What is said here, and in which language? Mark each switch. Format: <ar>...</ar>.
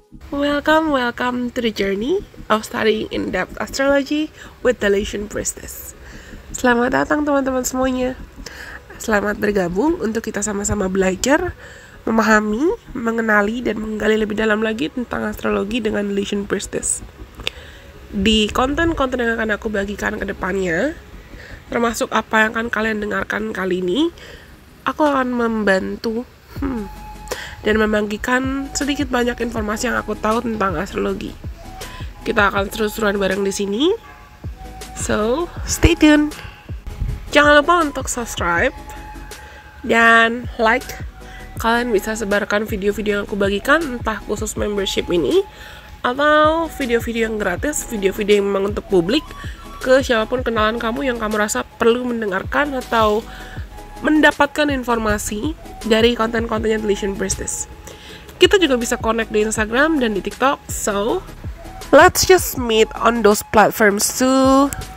<en>Welcome, welcome to the journey of studying in-depth astrology with the Lucian Priestess.</en> <id>Selamat datang teman-teman semuanya. Selamat bergabung untuk kita sama-sama belajar, memahami, mengenali, dan menggali lebih dalam lagi tentang astrologi dengan Lucian Priestess. Di konten-konten yang akan aku bagikan ke depannya, termasuk apa yang akan kalian dengarkan kali ini, aku akan membantu dan membagikan sedikit banyak informasi yang aku tahu tentang astrologi. Kita akan seru-seruan bareng di sini.</id> <en>So, stay tuned.</en> <id>Jangan lupa untuk subscribe dan like. Kalian bisa sebarkan video-video yang aku bagikan, entah khusus membership ini atau video-video yang gratis, video-video yang memang untuk publik, ke siapapun kenalan kamu yang kamu rasa perlu mendengarkan atau mendapatkan informasi dari konten-kontennya The Lucian Priestess. Kita juga bisa connect di Instagram dan di TikTok.</id> <en>So, let's just meet on those platforms too.</en>